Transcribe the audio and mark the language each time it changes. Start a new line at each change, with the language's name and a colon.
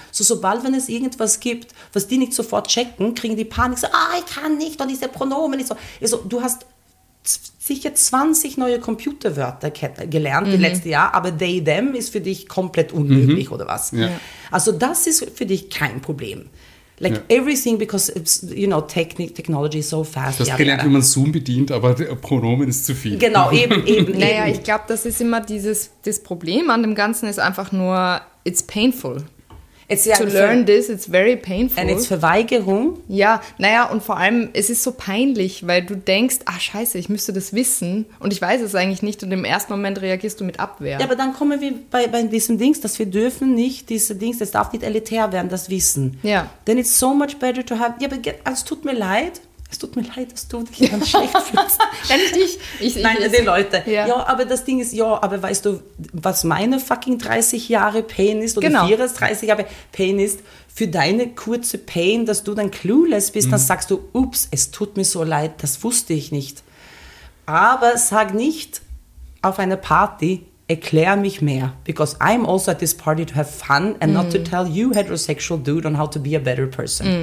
German: So, sobald, wenn es irgendwas gibt, was die nicht sofort checken, kriegen die Panik, so, ah, ich kann nicht, und diese Pronomen, ich so, also, du hast sicher 20 neue Computerwörter gelernt mhm. im letzten Jahr, aber they, them ist für dich komplett unmöglich mhm. oder was. Ja. Also das ist für dich kein Problem. Like ja.
English: everything because, it's, you know, technology is so fast.
German: Du hast gelernt, wie man Zoom bedient, aber der Pronomen ist zu viel. Genau, eben. Naja, ich glaube, das ist immer das Problem an dem Ganzen ist einfach nur,
English: it's painful. To learn this, it's very painful. And it's Verweigerung.
German: Ja, naja, und vor allem, es ist so peinlich, weil du denkst, ah, scheiße, ich müsste das wissen und ich weiß es eigentlich nicht und im ersten Moment reagierst du mit Abwehr. Ja, aber dann kommen wir bei diesem Dings, dass wir dürfen nicht diese Dings, das darf nicht elitär werden, das Wissen. Ja.
English: Then it's so much better to have,
German: ja, aber es tut mir leid. Es tut mir leid, dass du dich dann schlecht fühlst. Endlich. Nein, Leute. Ja, aber das Ding ist, ja, aber weißt du, was meine fucking 30 Jahre Pain ist? Oder 34 Jahre Pain ist? Für deine kurze Pain, dass du dann clueless bist, mhm. dann sagst du, ups, es tut mir so leid, das wusste ich nicht. Aber sag nicht auf einer Party, erklär mich mehr.
English: Because I'm also at this party to have fun and not to tell you, heterosexual dude, on how to be a better person.